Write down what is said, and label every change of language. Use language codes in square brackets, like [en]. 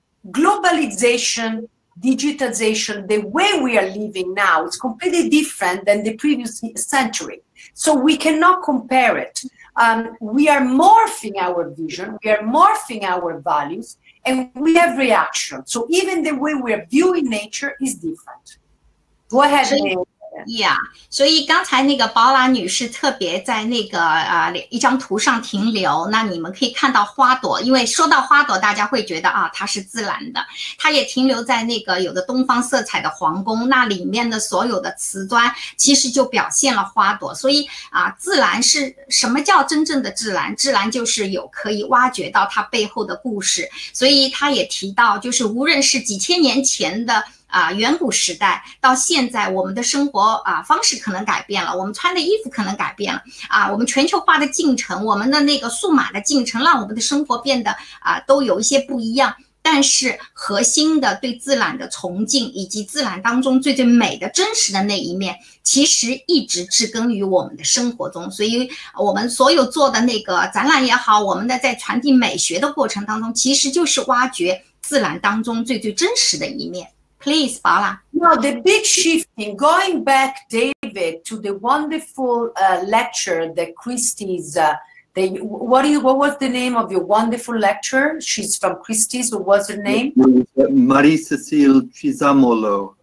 [en] Globalization, digitization, the way we are living now is completely different than the previous century. So we cannot compare it. We are morphing our vision, we are morphing our values, and we have reaction. So even the way we are viewing nature is different. Go ahead. [zh] Yeah, 所以刚才那个包拉女士特别在那个一张图上停留，那你们可以看到花朵，因为说到花朵大家会觉得啊它是自然的，它也停留在那个有的东方色彩的皇宫，那里面的所有的瓷砖其实就表现了花朵。所以啊，自然是什么叫真正的自然？自然就是有可以挖掘到它背后的故事。所以他也提到，就是无论是几千年前的远古时代到现在，我们的生活方式可能改变了，我们穿的衣服可能改变了我们全球化的进程，我们的那个数码的进程，让我们的生活变得都有一些不一样，但是核心的对自然的崇敬，以及自然当中最最美的真实的那一面，其实一直植根于我们的生活中。所以我们所有做的那个展览也好，我们的在传递美学的过程当中，其实就是挖掘自然当中最最真实的一面。 [en] Please, Paola. Now, the big shift in going back, David, to the wonderful lecture that Christie's, what was the name of your wonderful lecture? She's from Christie's, what was her name? Marie-Cécile Chizamolo.